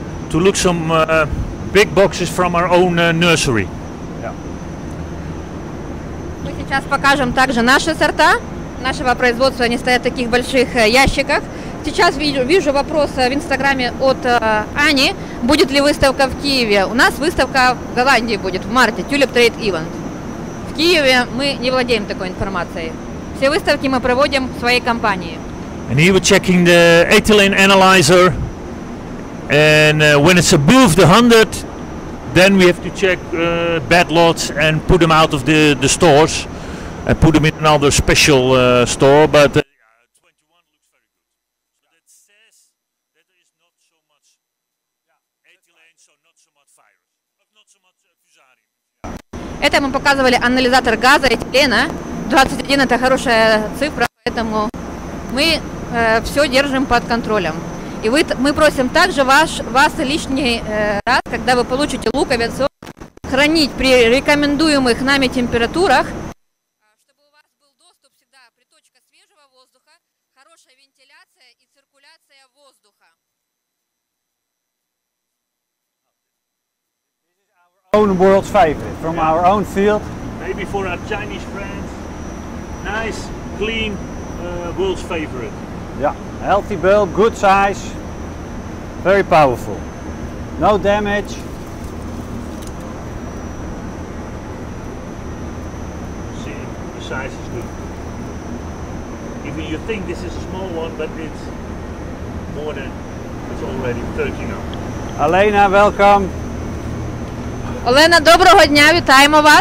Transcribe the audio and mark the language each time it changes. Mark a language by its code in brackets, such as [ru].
[en] To look some big boxes from our own nursery. [ru] Мы сейчас покажем также наши сорта нашего производства. Они стоят в таких больших ящиках. Сейчас вижу вопрос в Инстаграме от Ани. Будет ли выставка в Киеве? У нас выставка в Голландии будет в марте. [en] Tulip Trade Event. [ru] В Киеве мы не владеем такой информацией. Все выставки мы проводим в своей компании. [en] And he was checking the ethylene analyzer. And when it's above the 100, then we have to check bad lots and put them out of the stores and put them in another special store. But 21 looks very good. So that says that there is not so much ethylene, so not so much fire, but not so much fusarium. [ru] Это мы показывали анализатор газа этилена. 21 это хорошая цифра, поэтому мы все держим под контролем. И мы просим также вас лишний раз, когда вы получите луковицу, хранить при рекомендуемых нами температурах, чтобы у вас был доступ всегда, приточка свежего воздуха, хорошая вентиляция и циркуляция воздуха. [en] This is our own world favorite from our own field. Maybe for our Chinese friends. Nice, clean, world's favorite. Yeah, healthy bulb, good size. Very powerful. No damage. See, the size is good. Even you think this is a small one, but it's more than, it's already 30 now. Alena, welcome. [uk] Alena, [ru] доброго дня, [uk] вітаємо вас.